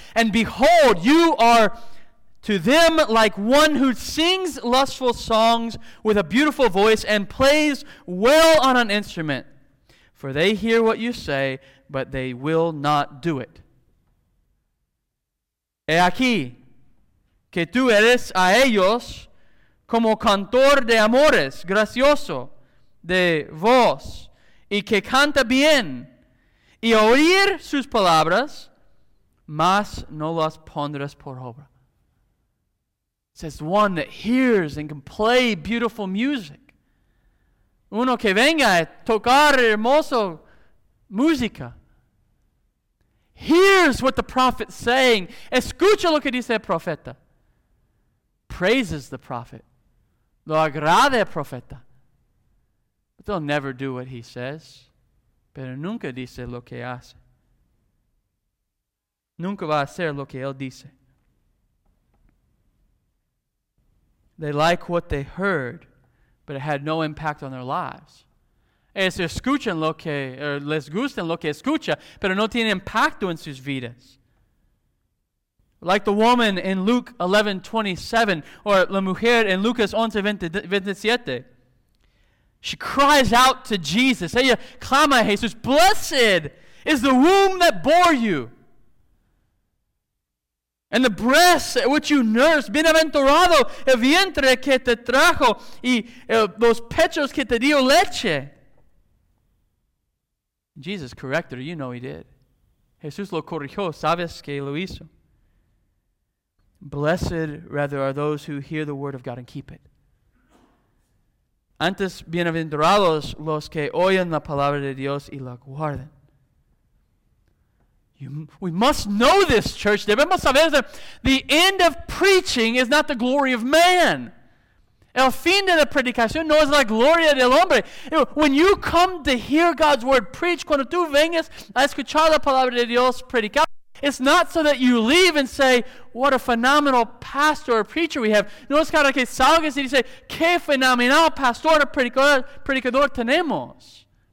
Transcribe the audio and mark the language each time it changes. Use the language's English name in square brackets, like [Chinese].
[English] And behold, you are to them like one who sings lustful songs with a beautiful voice and plays well on an instrument. For they hear what you say, but they will not do it. [Spanish] He aquí que tú eres a ellos como cantor de amores, gracioso de voz, y que canta bien, y oír sus palabras, mas no las pondrás por obra. [English] Says one that hears and can play beautiful music. [Spanish] Uno que venga a tocar hermoso música. [English] Hears what the prophet's saying. [Spanish] Escucha lo que dice el profeta. [English] Praises the prophet. [Spanish] Lo agrada el profeta. [English] But they'll never do what he says. [Spanish] Pero nunca dice lo que hace. Nunca va a hacer lo que él dice. [English] They like what they heard, but it had no impact on their lives. [Spanish] Es escuchan lo que, les gusta lo que escucha, pero no tiene impacto en sus vidas. [English] Like the woman in Luke 11:27, or [Spanish] la mujer [English] in Lucas 11:27. She cries out to Jesus. [Spanish] Ella clama a Jesús, [English] blessed is the womb that bore you. And the breast which you nursed, [Spanish] bienaventurado el vientre que te trajo y los pechos que te dio leche. [English] Jesus corrected her. You know he did. [Spanish] Jesús lo corrigió. Sabes que lo hizo. [English] Blessed, rather, are those who hear the word of God and keep it. [Spanish] Antes, bienaventurados los que oyen la palabra de Dios y la guardan. [English] We must know this, church. [Spanish] Debemos saber [English] that the end of preaching is not the glory of man. [Spanish] El fin de la predicación no es la gloria del hombre. [English] When you come to hear God's word preached, [Spanish] cuando tú vengas a escuchar la palabra de Dios predicada, [English] it's not so that you leave and say, what a phenomenal pastor or preacher we have. [Spanish] No es para que salgas y dices, qué fenomenal pastor o predicador tenemos.